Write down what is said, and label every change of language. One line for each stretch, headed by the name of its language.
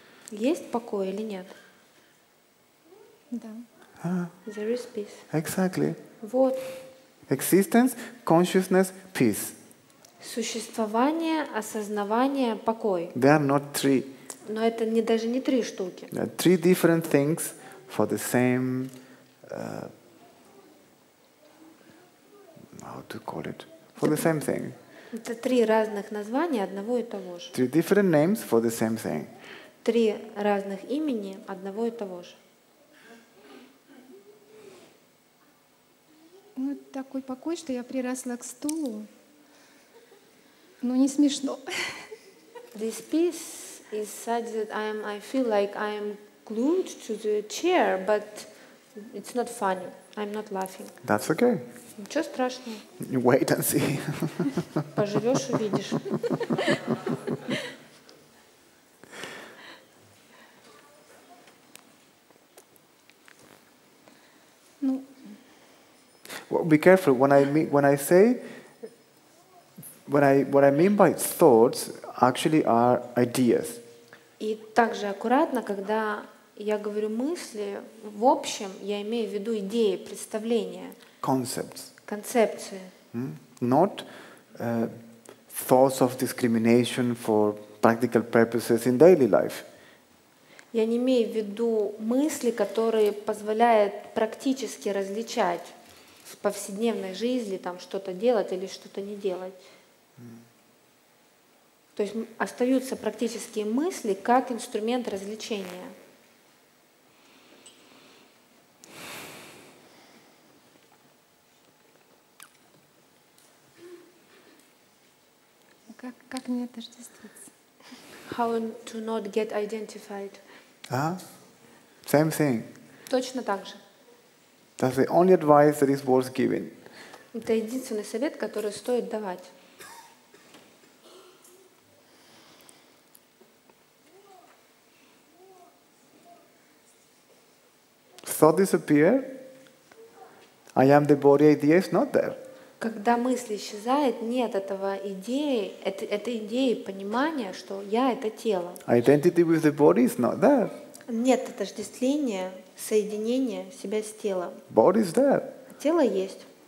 Russian: Есть покой или нет? Да.
English: There is peace. Exactly.
Russian: Вот.
English: Existence, consciousness, peace.
Russian: Существование, осознавание, покой.
English: They are not three.
Russian: Но это не даже не три штуки.
English: There are three different things for the same how to call it? For the same thing.
Russian: Это три разных названия одного и того же.
English: Three different names for the same thing.
Russian: Три разных имени одного и того же. Ну, такой покой, что я приросла к стулу. Но не смешно.
English: This piece is such that I feel like I'm glued to the chair, but it's not funny. I'm not laughing. That's okay.
Russian: Ничего страшного.
English: You wait and see.
Russian: Поживешь, увидишь. Ну.
English: Well, be careful when I mean by thoughts actually are ideas.
Russian: И также аккуратно, когда я говорю мысли, в общем, я имею в виду идеи, представления.
English: Concepts.
Russian: Концепции.
English: Not thoughts of discrimination for practical purposes in daily life.
Russian: Я не имею в виду мысли, которые позволяют практически различать в повседневной жизни там что-то делать или что-то не делать. То есть остаются практические мысли как инструмент развлечения. Как не отождествиться?
English: How to not get identified? Same thing.
Russian: Точно так же.
English: That's the only advice that is worth giving.
Russian: Это единственный совет, который стоит давать.
English: Thought disappear. I am the body idea is not there.
Russian: Когда мысль исчезает, нет этого идеи, этой идеи понимания, что я — это тело.
English: Identity with the body is not there.
Russian: Нет отождествления, соединения себя с телом.
English: Body is there.
Russian: А тело есть.